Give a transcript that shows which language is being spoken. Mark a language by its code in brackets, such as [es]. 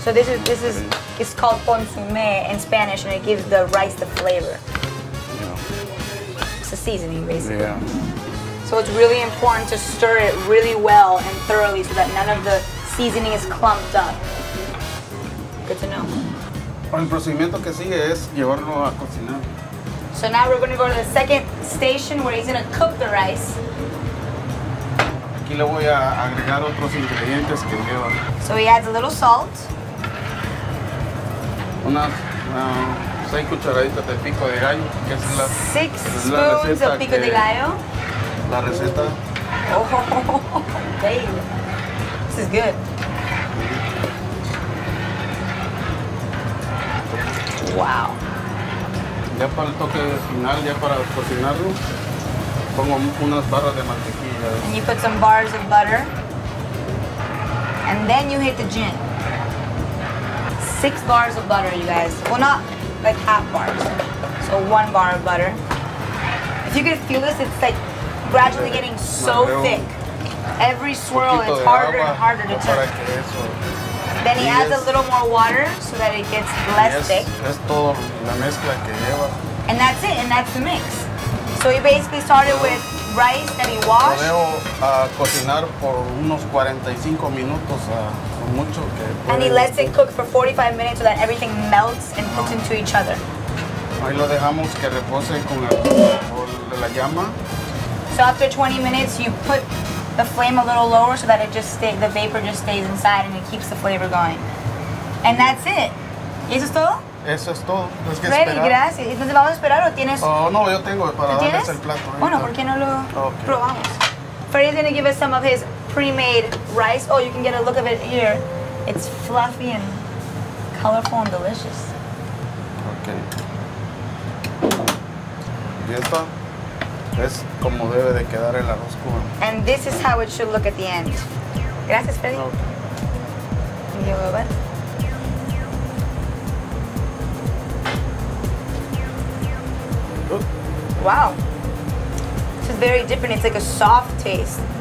[en] So this is, it's called consomé in Spanish, and it gives the rice the flavor. Yeah. It's a seasoning, basically. Yeah. So it's really important to stir it really well and thoroughly so that none of the seasoning is clumped up. Good to know. [es] El procedimiento que sigue es llevarlo a cocinar. [en] So now we're going to go to the second station where he's going to cook the rice. [es] Aquí le voy a agregar otros ingredientes que lleva. [en] So he adds a little salt. [es] Unas 6 cucharaditas de pico de gallo. Que es la, [en] 6 spoons of pico de gallo. [es] La receta. [en] Oh, okay. This is good. Wow. [es] Ya para el toque final, ya para cocinarlo, pongo unas barras de mantequilla. [en] And you put some bars of butter. And then you hit the gin. 6 bars of butter, you guys. Well, not like half bars. So 1 bar of butter. If you can feel this, it's like gradually getting so thick. Every swirl is harder and harder to touch. Then he adds a little more water so that it gets less thick. [es] Es todo la mezcla que lleva. [en] And that's it, and that's the mix. So he basically started with rice that he washed. [es] Lo dejo a cocinar por unos 45 minutos, mucho que puede. [en] And he lets it cook for 45 minutes so that everything melts and cooks into each other. [es] Ahí lo dejamos que repose con la llama. [en] So after 20 minutes, you put the flame a little lower so that it just stay, the vapor just stays inside and it keeps the flavor going. And that's it. [es] ¿Y eso es todo? Eso es todo. Es que Freddy, gracias. ¿Entonces vamos a esperar o tienes? No, yo tengo para darles el plato. Bueno, ¿por qué no lo probamos? [en] Freddy's gonna give us some of his pre-made rice. Oh, you can get a look of it here. It's fluffy and colorful and delicious. Okay. [es] ¿Y esto? Es como debe de quedar el arroz cubano. [en] And this is how it should look at the end. [es] Gracias, Freddy. [en] Okay. Give me a little bit. Wow. This is very different. It's like a soft taste.